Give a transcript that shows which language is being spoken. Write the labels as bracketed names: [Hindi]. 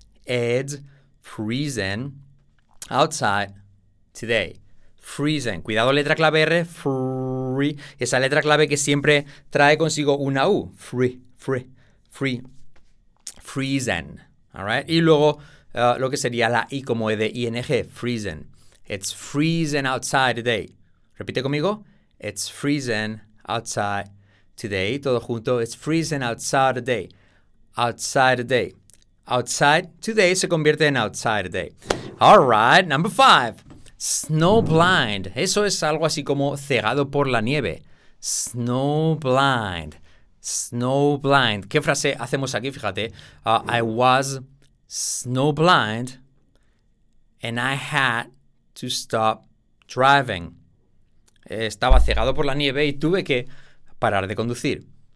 [English] It's freezing outside today. Freezing. [Spanish] Cuidado, letra clave R, free. Esa letra clave que siempre trae consigo una U. [English] Free, free, free. Freezing, all right? [Spanish] Y luego lo que sería la I como E de ING, freezing. [English] It's freezing outside today. [Spanish] Repite conmigo. [English] It's freezing outside today, [Spanish] todo junto, [English] it's freezing outside today. Outside today. Outside today [Spanish] se convierte en [English] outside today. All right, number five. Snow blind. [Spanish] Eso es algo así como cegado por la nieve. [English] Snow blind. Snow blind. [Spanish] ¿Qué frase hacemos aquí? Fíjate. [English] I was snow blind and I had to stop driving. [Spanish] Estaba cegado por la nieve y tuve que parar de conducir.